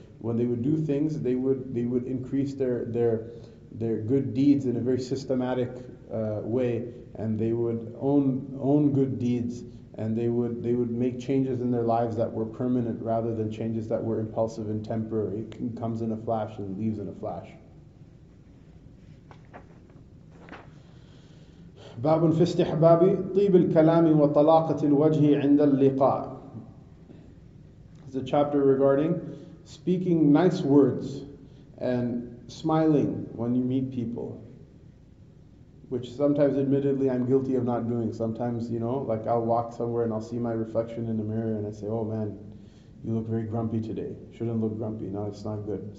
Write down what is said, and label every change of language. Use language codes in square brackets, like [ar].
[en] When they would do things, they would increase their good deeds in a very systematic way, and they would own good deeds, and they would make changes in their lives that were permanent rather than changes that were impulsive and temporary. It comes in a flash and leaves in a flash. [ar] باب في استحباب طيب الكلام وطلاقة الوجه عند اللقاء. [en] It's a chapter regarding speaking nice words and smiling when you meet people, which sometimes, admittedly, I'm guilty of not doing. Sometimes, you know, like I'll walk somewhere and I'll see my reflection in the mirror and I say, oh man, you look very grumpy today. Shouldn't look grumpy. No, it's not good.